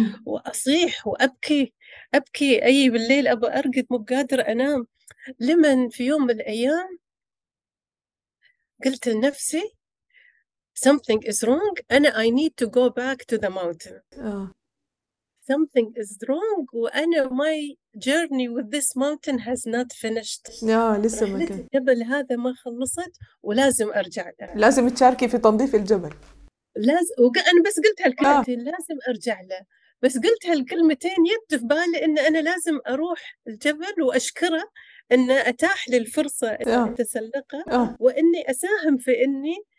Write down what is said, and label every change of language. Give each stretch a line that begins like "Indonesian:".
Arabic: وأصيح وأبكي، أبكي أي بالليل أبى أرقد مو بقادرة أنام. لمن في يوم من الأيام قلت لنفسي
English: something is wrong.
Arabic: أنا
English: I need to go back to the mountain. Something is wrong.
Arabic: وأنا
English: my journey with this mountain has not finished.
Arabic: لسه ما كان. الجبل هذا ما خلصت ولازم أرجع له. لازم تشاركي في تنظيف الجبل. لازم. وأنا بس قلت هالكلمتين لازم أرجع له. بس قلت هالكلمتين يد في بالي إن أنا لازم أروح الجبل وأشكره إن أتاح لي الفرصة أتسلقها وإني أساهم في إني